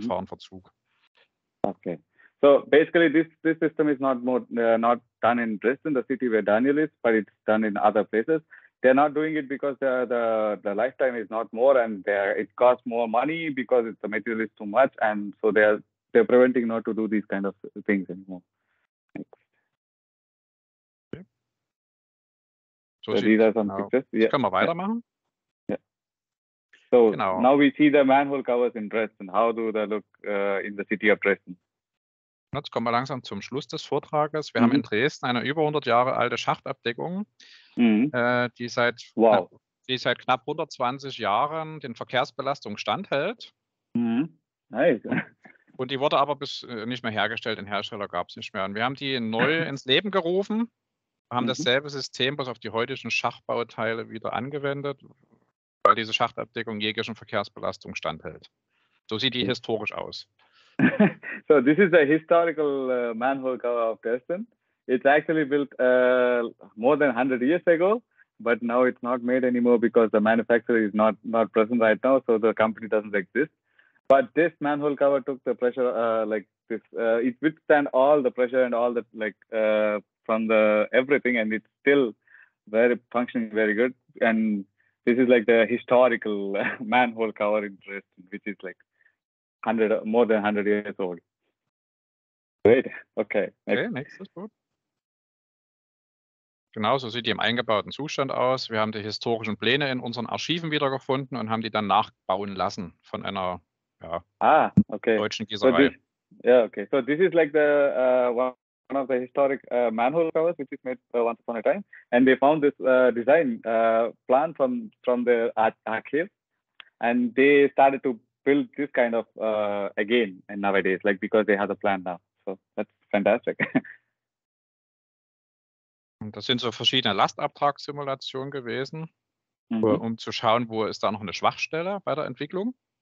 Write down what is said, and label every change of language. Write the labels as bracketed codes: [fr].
[de] Gefahrenverzug. [en] Okay, so basically this system is not more not done in Dresden, the city where Daniel is, but it's done in other places. They're not doing it because the lifetime is not more, and it costs more money because it's the material is too much, and so they're preventing not to do these kind of things anymore. Okay. So these are some pictures. Yeah. [de] Können wir weitermachen? Yeah. So genau. [en] Now we see the manhole covers in Dresden. How do they look in the city of Dresden? [de] Jetzt kommen wir langsam zum Schluss des Vortrages. Wir mhm. haben in Dresden eine über 100 Jahre alte Schachtabdeckung, die seit knapp 120 Jahren den Verkehrsbelastung standhält. [en] Mhm. Nice. [de] Und die wurde aber bis nicht mehr hergestellt, den Hersteller gab es nicht mehr. Und wir haben die neu ins Leben gerufen, haben mhm. dasselbe System, was auf die heutigen Schachtbauteile wieder angewendet, weil diese Schachtabdeckung jeglichen Verkehrsbelastung standhält. So sieht die historisch aus. [en] So this is a historical manhole cover of Dresden. It's actually built more than 100 years ago, but now it's not made anymore because the manufacturer is not present right now, so the company doesn't exist. But this manhole cover took the pressure like this. It withstand all the pressure and all the like from the everything, and it's still very functioning very good. And this is like the historical manhole cover in Dresden, which is like more than 100 years old. Great. Okay. Next. [de] Genau, so sieht die im eingebauten Zustand aus. Wir haben die historischen Pläne in unseren Archiven wiedergefunden und haben die dann nachbauen lassen von einer deutschen Gießerei. [en] So this is like the one of the historic manhole covers which is made once upon a time, and they found this design plan from the archive, and they started to build this kind of again and nowadays, like because they have a plan now. So that's fantastic. [de] Das sind so verschiedene Lastabtragssimulationen gewesen, mm-hmm. um zu schauen, wo ist da noch eine Schwachstelle bei der Entwicklung.